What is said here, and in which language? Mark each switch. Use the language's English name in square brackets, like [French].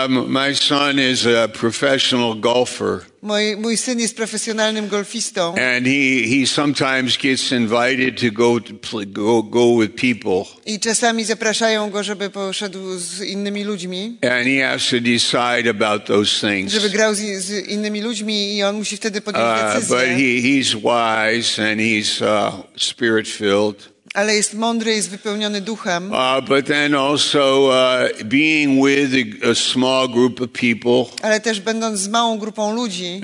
[English] My son is a professional golfer. [Polish] Mój syn jest profesjonalnym golfistą. [English] And he sometimes gets invited to go with people. [Polish] I czasami zapraszają go, żeby poszedł z innymi ludźmi. [English] And he has to decide about those things. [Polish] Żeby grał z innymi ludźmi i on musi wtedy podjąć decyzję. [English] But he's wise and he's spirit-filled. [Polish] Ale jest mądry, jest wypełniony duchem. [English] But then also being with a small group of people. [Polish] Ale też będąc z małą grupą ludzi.